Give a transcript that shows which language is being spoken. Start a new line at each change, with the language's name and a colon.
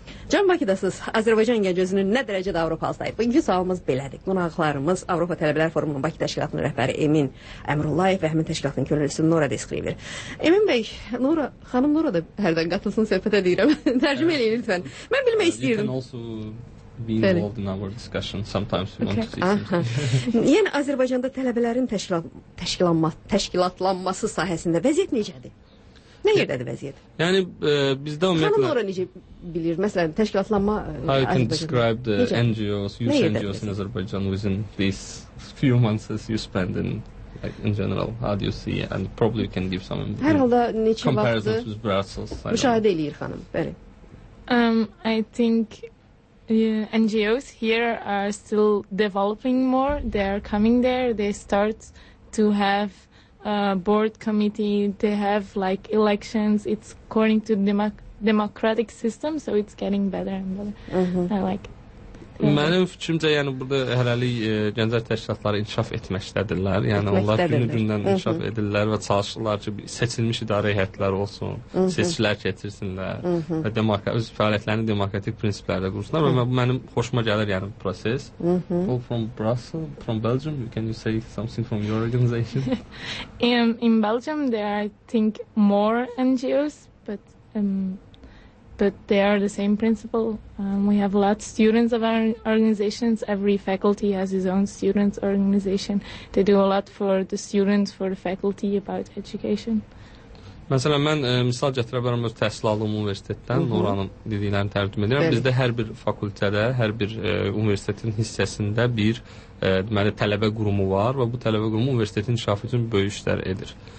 Azerbaijani: Can Bakıdasınız. Azərbaycan gəncəsinin nə dərəcədə Avropalısayıb? Bugünkü sualımız belədir. Qonaqlarımız Avropa Tələbələr Forumunun Bakı Təşkilatının rəhbəri Emin Əmrullayev və həmin təşkilatın könüllüsü Nora Deskrivir. Emin bəy, Nora, xanım Nora da hərdən qatılsın söhbətə deyirəm. Tərcümə eləyin lütfən. Mən bilmək istəyirdim.
English: Be involved in our discussion. Sometimes we want to see something.
Azerbaijani: Yəni, Azərbaycanda tələbələrin təşkilatlanması sahəsində vəziyyət necədir? Nə yerdədir vəziyyət? Yəni, bizdə ümumiyyətlə... Xanım Nora necə bilir? Məsələn, təşkilatlanma...
English: How you can describe the NGOs, youth NGOs in Azerbaijan within these few months as you spend in... Like in general, how do you see and probably you can give some comparisons with Brussels.
Azerbaijani: Müşahidə eləyir xanım, bəli.
English: I think NGOs here are still developing more. They are coming there. They start to have a board committee. They have like elections. It's according to democratic system, so it's getting better and better. Mm-hmm. I like it.
Azerbaijani: Mənim fikrimcə, yəni burada hələlik gənclər təşkilatları inkişaf etməkdədirlər. Yəni onlar günü-gündən inkişaf edirlər və çalışırlar ki, seçilmiş idarə heyətləri olsun, seçkilər keçirsinlər və öz fəaliyyətlərini demokratik prinsiplərlə qursunlar. Və mənim xoşuma gəlir, yəni bu proses.
English: All from Brussels, from Belgium, can you say something from your organization? In Belgium, there are, I think, more NGOs, but... But they are the same principle. We have lots of students of our organizations. Every faculty has his own students organization. They do a lot for the students, for the faculty about education.
Azerbaijani: Məsələn, mən misal gətirə bilərəm öz təhsil aldığım universitetdən, Noranın dediklərini tərcümə edirəm. Bizdə hər bir fakültədə, hər bir universitetin hissəsində bir deməli, tələbə qurumu var və bu tələbə qurumu universitetin inkişafı üçün böyük işlər edir.